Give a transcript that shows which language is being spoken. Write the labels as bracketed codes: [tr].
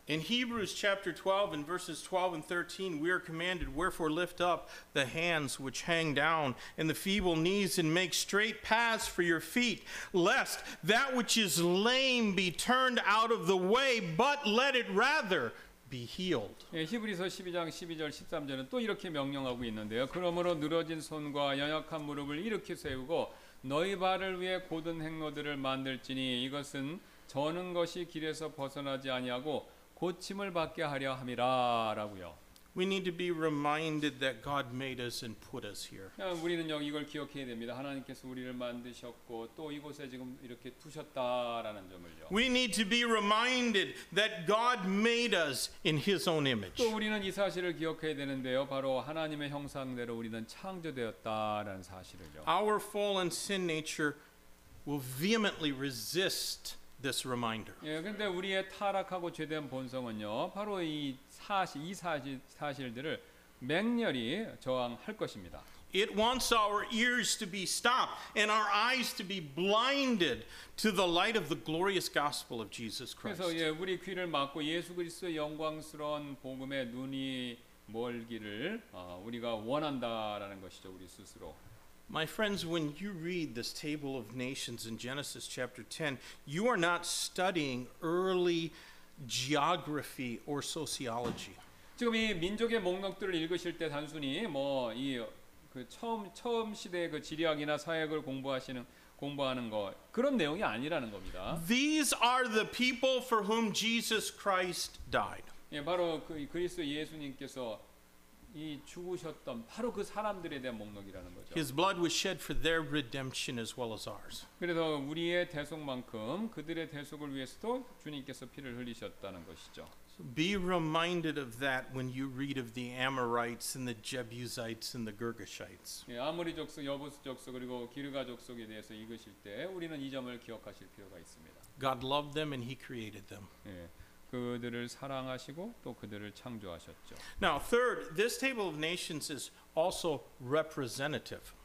[en] In Hebrews chapter 12 and verses 12 and 13 we are commanded wherefore lift up the hands which hang down and the feeble knees and make straight paths for your feet lest that which is lame be turned out of the way but let it rather be healed. [ko] 예, 히브리서 12장 12절 13절은 또 이렇게 명령하고 있는데요. 그러므로 늘어진 손과 연약한 무릎을 일으켜 세우고 너희 발을 위해 곧은 행로들을 만들지니 이것은 저는 것이 길에서 벗어나지 아니하고 고침을 받게 하려 함이라라고요. [en] We need to be reminded that God made us and put us here. [ko] 우리는 여기 이걸 기억해야 됩니다. 하나님께서 우리를 만드셨고 또 이곳에 지금 이렇게 두셨다라는 점을요. [en] We need to be reminded that God made us in His own image. [ko] 또 우리는 이 사실을 기억해야 되는데요. 바로 하나님의 형상대로 우리는 창조되었다라는 사실을요. [en] Our fallen sin nature will vehemently resist this reminder. [ko] 예, 근데 우리의 타락하고 죄된 본성은요. 바로 이 사실 이 사실들을 맹렬히 저항할 것입니다. [en] It wants our ears to be stopped and our eyes to be blinded to the light of the glorious gospel of Jesus Christ. [ko] 그래서 예, 우리 귀를 막고 예수 그리스도의 영광스러운 복음의 눈이 멀기를 우리가 원한다라는 것이죠, 우리 스스로. [en] My friends, when you read this table of nations in Genesis chapter 10, you are not studying early geography or sociology. [ko] 지금 이 민족의 목록들을 읽으실 때 단순히 뭐 이 그 처음 시대의 그 지리학이나 사회학을 공부하는 거 그런 내용이 아니라는 겁니다. [en] These are the people for whom Jesus Christ died. [ko] 예, 바로 그 그리스도 예수님께서 이 죽으셨던 바로 그 사람들에 대한 목록이라는 거죠. [en] His blood was shed for their redemption as well as ours. [ko] 그래서 우리의 대속만큼 그들의 대속을 위해서도 주님께서 피를 흘리셨다는 것이죠. [en] Be reminded of that when you read of the Amorites and the Jebusites and the Girgashites. [ko] 예, 아모리 족속, 여부스 족속 그리고 기르가 족속에 대해서 읽으실 때 우리는 이 점을 기억하실 필요가 있습니다. [en] God loved them and he created them. [ko] 예. 그들을 사랑하시고 또 그들을 창조하셨죠. [en] Now, third, this table of nations is also representative.